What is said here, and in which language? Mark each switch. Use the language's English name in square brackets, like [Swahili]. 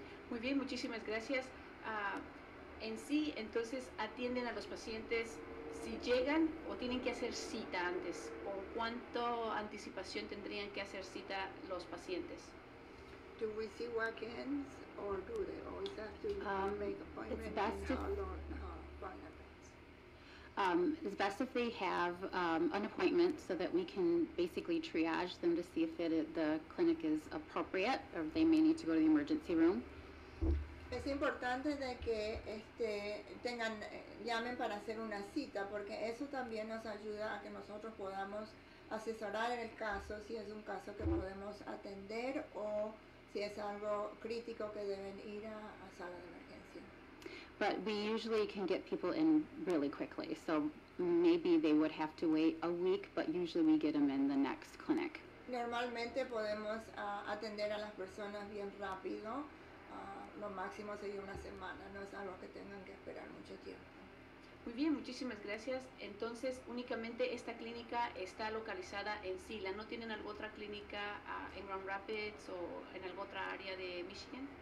[Spanish] Muy bien, muchísimas gracias. En sí, entonces, ¿atienden a los pacientes si llegan o tienen que hacer cita antes? ¿O cuánto anticipación tendrían que hacer cita los pacientes? [English] Do we see walk-ins or do they always have to make appointments? It's best it's best if they have an appointment so that we can basically triage them to see if the clinic is appropriate or if they may need to go to the emergency room. [Spanish] Es importante de que llamen para hacer una cita, porque eso también nos ayuda a que nosotros podamos asesorar el caso, si es un caso que podemos atender o si es algo crítico que deben ir a sala de emergencia. [English] But we usually can get people in really quickly, so maybe they would have to wait a week, but usually we get them in the next clinic. [Spanish] Normalmente podemos atender a las personas bien rápido. Lo máximo sería una semana, no es algo que tengan que esperar mucho tiempo. Muy bien, muchísimas gracias. Entonces, únicamente esta clínica está localizada en Sila. ¿No tienen alguna otra clínica en Grand Rapids o en alguna otra área de Michigan?